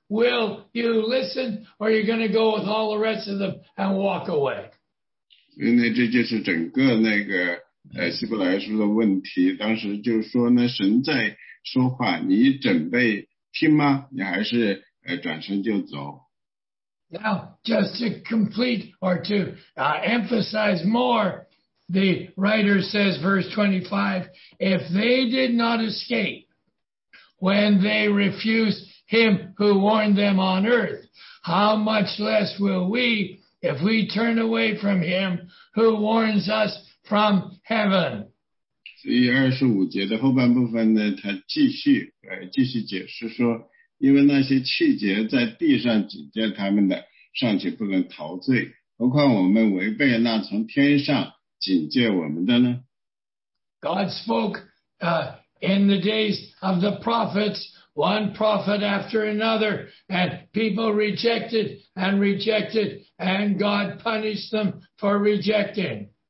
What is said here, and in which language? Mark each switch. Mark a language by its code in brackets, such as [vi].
[en] Will you listen, or are you going to go with all the rest of them and walk away? [zh] 因为这就是整个那个希伯来书的问题。当时就说呢，神在说话，你准备听吗？你还是转身就走？ [en] Now, just to complete or to emphasize more, the writer says, verse 25, if they did not escape when they refused him who warned them on earth. How much less will we if we turn away from him who warns us from heaven? [zh] 所以25节的后半部分呢，他继续解释说，因为那些弃绝在地上警戒他们的，尚且不能陶醉，何况我们违背那从天上警戒我们的呢？ [en] God spoke in the days of the prophets, one prophet after another, and people rejected and rejected, and God punished them for rejecting.